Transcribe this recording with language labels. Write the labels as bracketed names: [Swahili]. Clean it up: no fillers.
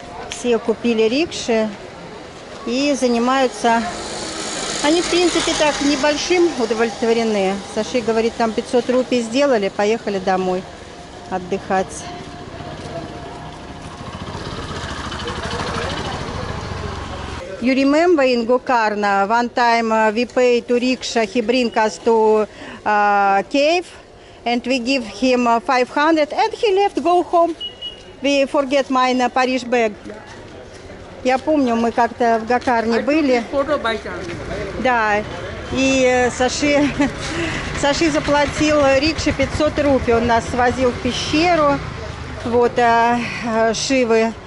[Russian] Все купили рикши и занимаются. Они, в принципе, так небольшим удовлетворены. Саши говорит, там 500 рупий сделали, поехали домой отдыхать. [English] You remember in Gokarna, one time we paid to Riksha, he bring us to cave, and we give him 500, and he left, go home. We forget my Paris bag. [Russian] Я помню, мы как-то в Гокарне были. Да, и Саши заплатил Рикше 500 рупий, он нас свозил в пещеру, вот, Шивы.